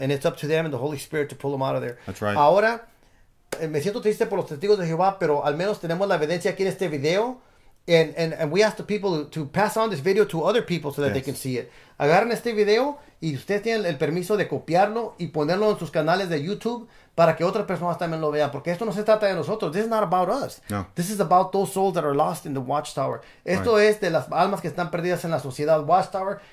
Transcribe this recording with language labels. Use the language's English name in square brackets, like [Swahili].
[English] And it's up to them and the Holy Spirit to pull them out of there. That's right. [Spanish] Ahora, me siento triste por los testigos de Jehová, pero al menos tenemos la evidencia aquí en este video. [English] And we ask the people to pass on this video to other people so that they can Yes. see it. [Spanish] Agarren este video y ustedes tienen el permiso de copiarlo y ponerlo en sus canales de YouTube para que otras personas también lo vean. Porque esto no se trata de nosotros. [English] This is not about us. [Spanish] No. [English] This is about those souls that are lost in the Watchtower. Right. [Spanish] Esto es de las almas que están perdidas en la sociedad Watchtower.